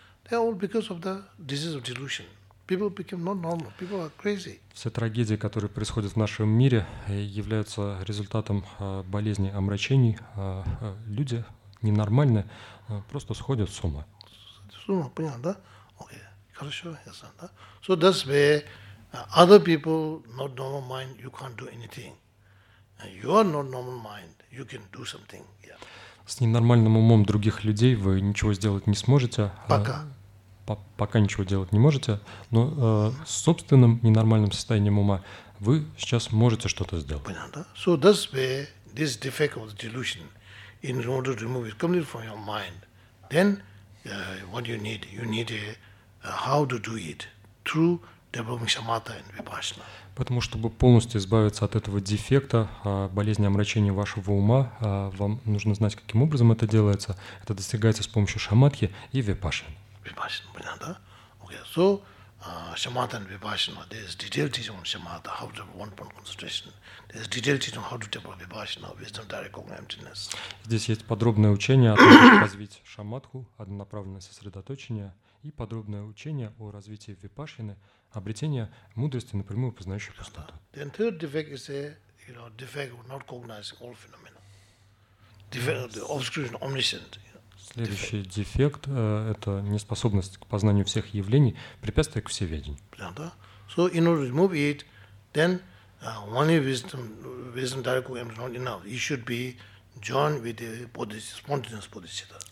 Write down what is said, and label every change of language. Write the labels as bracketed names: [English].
[English] They are all because of the disease of delusion. People become not normal. People are crazy. [Russian] Все трагедии, которые происходят в нашем мире, являются результатом болезни омрачений. Люди ненормальны, просто сходят с ума. С ума, понятно, да? Окей, хорошо, ясно, да? [English] So that's where other people not normal mind, you can't do anything. You are not normal mind, you can do something. Yeah. [Russian] С ненормальным умом других людей вы ничего сделать не сможете. Пока. Пока ничего делать не можете, но с собственным ненормальным состоянием ума вы сейчас можете что-то сделать. Понятно? [English] So that's where this defect of the delusion, in order to remove it completely from your mind, then what you need? You need how to do it through developing shamatha and vipassana. Поэтому, чтобы полностью избавиться от этого дефекта, болезни омрачения вашего ума, вам нужно знать, каким образом это делается. Это достигается с помощью шамадхи и випассаны. Vipassana, понятно? Okay, so shamatha and vipassana, there is detailed teaching on shamatha, how to have one-point concentration. There is detailed teaching on how to develop vipassana, wisdom, direct cognitive emptiness. [Russian] Здесь есть подробное учение о том, как развить шамадху, однонаправленное сосредоточение, и подробное учение о развитии випассаны, обретение мудрости напрямую познающей пустоту. [English] Then third defect is a defect of not cognizing all phenomena. The obscuration, omniscience. [Russian] Следующий дефект – это неспособность к познанию всех явлений, препятствие к всеведению. [English] Yeah, [Russian] да. [English] So it,